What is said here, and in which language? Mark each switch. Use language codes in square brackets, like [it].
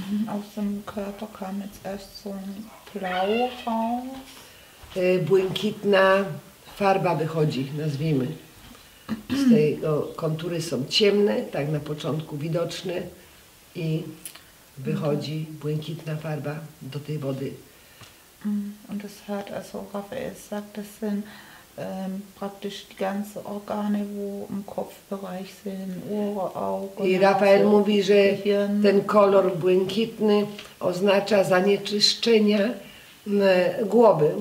[de] Aus dem Körper kam jetzt erst so ein Blau raus. [pl] Błękitna farba wychodzi, nazwijmy. Z tego kontury są ciemne, tak na początku widoczne, i wychodzi błękitna farba do tej wody. [de] Und das hat also Raphael sagt, das sind praktisch die ganze Organe, wo im Kopfbereich sind, Ohr, Augen. [pl] I Rafael mówi, że ten kolor błękitny oznacza zanieczyszczenie głowy.